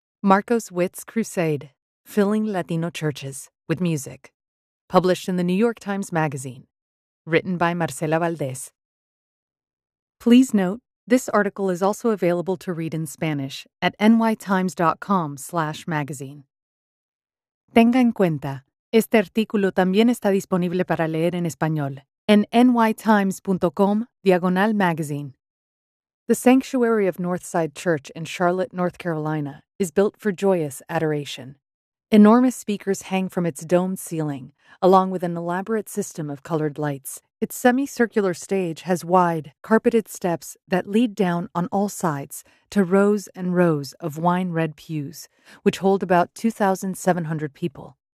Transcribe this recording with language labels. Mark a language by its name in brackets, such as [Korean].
[English] Marcos Witt's Crusade, Filling Latino Churches with Music, published in the New York Times Magazine, written by Marcela Valdez. Please note, this article is also available to read in Spanish at nytimes.com/magazine. [Spanish] Tenga en cuenta, este artículo también está disponible para leer en español en nytimes.com/magazine. [English] The Sanctuary of Northside Church in Charlotte, North Carolina is built for joyous adoration. Enormous speakers hang from its domed ceiling, along with an elaborate system of colored lights. Its semicircular stage has wide, carpeted steps that lead down on all sides to rows and rows of wine-red pews, which hold about 2,700 people.